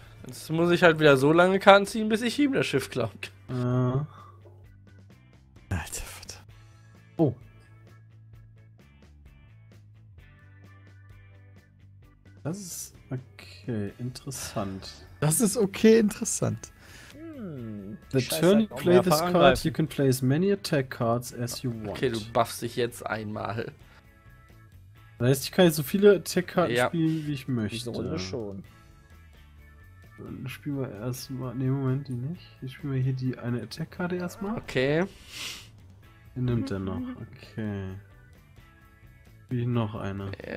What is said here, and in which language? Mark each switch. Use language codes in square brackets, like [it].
[de] Jetzt muss ich halt wieder so lange Karten ziehen, bis ich ihm das Schiff klaut. Ja. Alter, verdammt. Oh. Das ist okay, interessant. Das ist okay, interessant. [en] The turn you play this card, you can play as many attack cards as you want. [de] Okay, du buffst dich jetzt einmal. Das heißt, ich kann jetzt so viele Attack-Karten spielen, wie ich möchte. Diese Runde schon. Dann spielen wir erstmal. Ne, Moment, die nicht. Hier spielen wir hier die eine Attack-Karte erstmal. Okay. Die nimmt er noch. Okay. Wie noch eine.